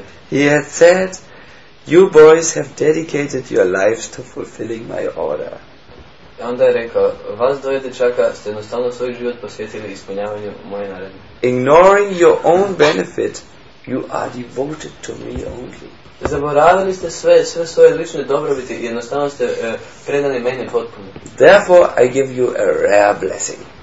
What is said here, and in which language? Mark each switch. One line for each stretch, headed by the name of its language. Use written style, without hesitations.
English: He had said, you boys have dedicated your lives to fulfilling my order.
Croatian: Onda je rekao, vas dvoje dečaka ste jednostavno svoj život posvetili ispunjavanju moje naredbe.
English: Ignoring your own benefit, you are devoted to me only.
Croatian: Zaboravili ste sve svoje lične dobrobiti i jednostavno ste predani meni potpuno.
English: Therefore, I give you a rare blessing.